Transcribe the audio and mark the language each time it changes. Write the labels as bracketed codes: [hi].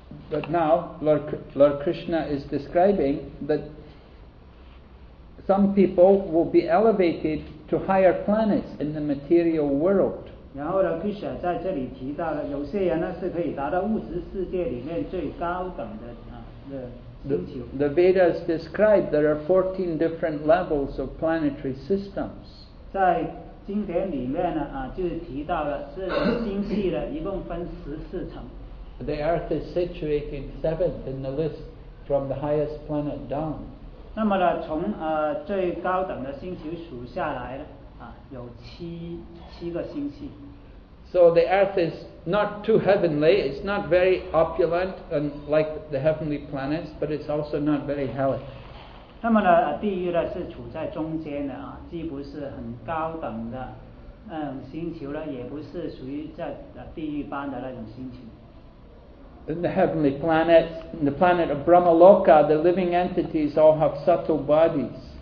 [en] But now, Lord Krishna is describing that some people will be elevated to higher planets in the material world. [zh] 然后呢, Krishna 在这里提到了, 有些人呢, 是可以达到物质世界里面最高等的, 星球。 [en] The Vedas describe there are 14 different levels of planetary systems. [zh] 在经典里面呢, 啊, 就是提到了, 是星系的, 一共分14层。 [en] The earth is situated 7th in the list from the highest planet down. [zh] 那么呢, 从, 最高等的星球数下来呢, 啊, 有七个星系。 [en] So the earth is not too heavenly, it's not very opulent and like the heavenly planets, but it's also not very hellish. [zh] 那么呢, 地狱呢, 是处在中间的, 啊, 既不是很高等的, 星球呢, 也不是属于在, 地狱般的那种星球。 [en] In the heavenly planets, in the planet of Brahmaloka, the living entities all have subtle bodies.